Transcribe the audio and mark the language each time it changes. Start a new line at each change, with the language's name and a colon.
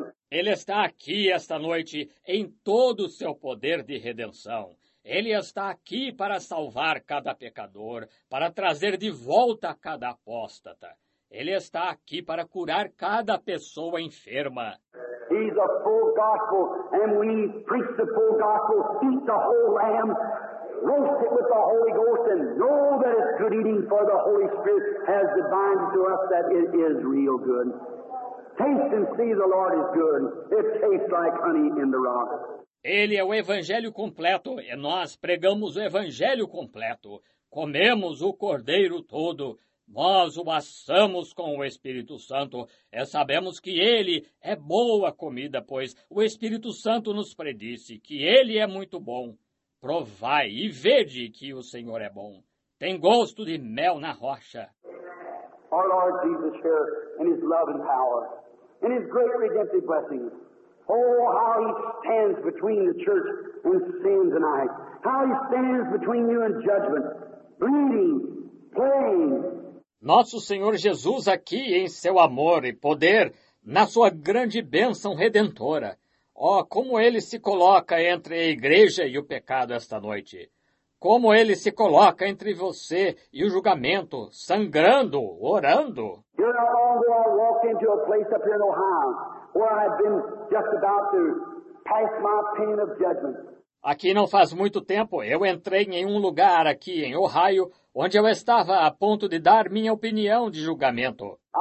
Portuguese: Ele está aqui esta noite em todo o seu poder de redenção. Ele está aqui para salvar cada pecador, para trazer de volta cada apóstata. Ele está aqui para curar cada pessoa enferma.
English: He's a full gospel, and we preach the full gospel, eat the whole lamb, roast it with the Holy Ghost, and know that it's good eating, for the Holy Spirit has divined to us that it is real good. Taste and see the Lord is good. It tastes like honey in the rock.
Portuguese: Ele é o evangelho completo, e nós pregamos o evangelho completo. Comemos o cordeiro todo, nós o assamos com o Espírito Santo, e sabemos que ele é boa comida, pois o Espírito Santo nos predisse que ele é muito bom. Provai e vede que o Senhor é bom. Tem gosto de mel na rocha.
English: Our Lord Jesus here, in his love and power, in his great redemptive blessings. Oh, how he stands between the church and sin tonight. How he stands between you and judgment. Bleeding, praying.
Portuguese: Nosso Senhor Jesus aqui em seu amor e poder, na sua grande bênção redentora. Oh, como ele se coloca entre a igreja e o pecado esta noite. como ele se coloca entre você e o julgamento, sangrando, orando.
English: You know how long ago I walked into a place up here in Ohio where I've been just about to pass my pen of judgment.
Portuguese: Aqui não faz muito tempo, eu entrei em um lugar aqui em Ohio, onde eu estava a ponto de dar minha opinião de julgamento.